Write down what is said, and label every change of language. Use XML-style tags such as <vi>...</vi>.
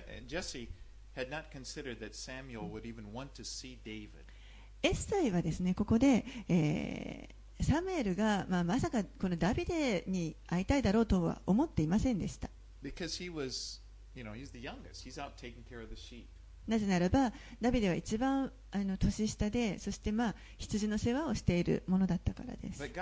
<en>Jesse had not considered that Samuel would even want to see David.</en> <ja>エッサイはですね、ここで、サムエルが、まさかこのダビデに会いたいだろうとは思っていませんでした。</ja> <en>Because he was, you know, he's the youngest. He's out taking care of the sheep.</en> <ja>なぜならばダビデは一番あの年下で、そして、羊の世話をしているものだったからです。</ja>